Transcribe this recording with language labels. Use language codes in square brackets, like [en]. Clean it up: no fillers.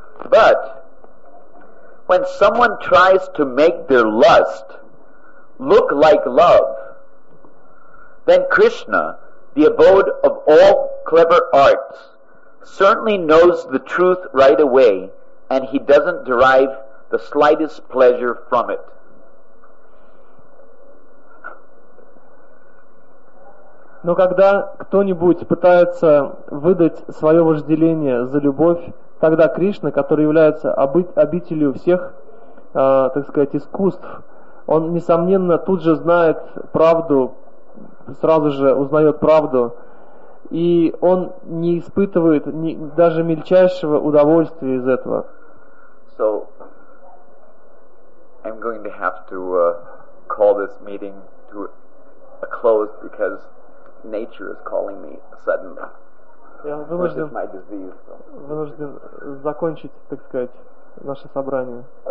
[en] But when someone tries to make their lust look like love, then Krishna, the abode of all clever arts, certainly knows the truth right away, and he doesn't derive the slightest pleasure from it. [ru] Но когда кто-нибудь пытается выдать свое вожделение за любовь, тогда Кришна, который является обителью всех, так сказать, искусств, он, несомненно, тут же знает правду, сразу же узнает правду, и он не испытывает даже мельчайшего удовольствия из этого. [en] So, I'm going to have to call this meeting to a close because nature is calling me suddenly. [ru] Вынужден, [en] my disease, so. [ru] Вынужден закончить, так сказать, наше собрание.